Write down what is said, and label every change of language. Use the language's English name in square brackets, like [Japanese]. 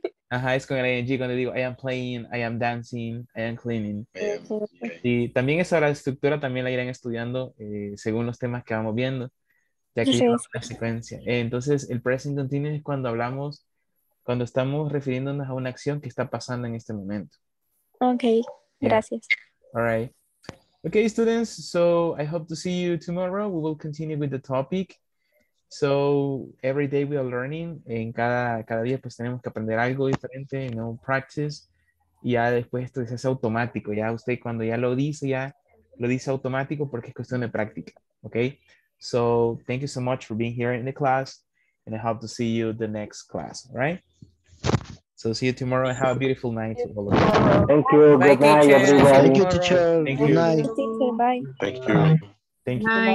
[Spanish] Ajá, es con el ING cuando digo [English] I am playing, I am dancing, I am cleaning. [Spanish] Y también esa estructura también la irán estudiando según los temas que vamos viendo. Ya que es la secuencia. Entonces, el present continuo es cuando hablamos, cuando estamos refiriéndonos a una acción que está pasando en este momento. Okay, gracias. [English] All right. Okay, students, so I hope to see you tomorrow. We will continue with the topic. So every day we are learning. [Spanish] En cada día pues tenemos que aprender algo diferente, [English] you know, practice. [Spanish] Y ya después esto es automático. Ya usted cuando ya lo dice automático porque es cuestión de práctica. [English] Okay? So thank you so much for being here in the class. And I hope to see you the next class, all right? So see you tomorrow and have a beautiful night. Thank you. Bye, good teacher. Night, everybody. Thank you, teacher. Thank good you. Night. Bye. Thank you.